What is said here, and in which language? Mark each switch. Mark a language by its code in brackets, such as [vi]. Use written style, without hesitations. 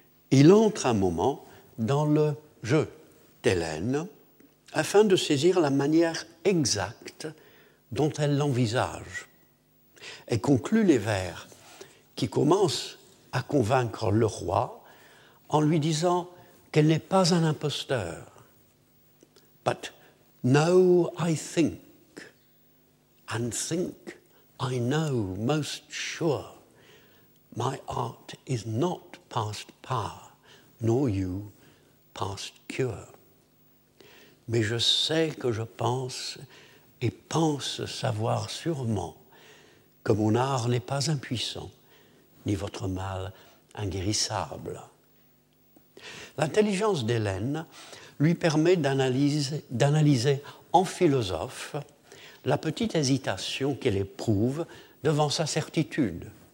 [fr] Il entre un moment dans le jeu d'Hélène afin de saisir la manière exacte dont elle l'envisage. Elle conclut les vers qui commencent à convaincre le roi en lui disant qu'elle n'est pas un imposteur. [en] But now I think, and think I know most sure, my art is not past power, nor you past cure. [fr] Mais je sais que je pense et pense savoir sûrement que mon art n'est pas impuissant, ni votre mal inguérissable. L'intelligence d'Hélène lui permet d'analyser en philosophe la petite hésitation qu'elle éprouve devant sa certitude.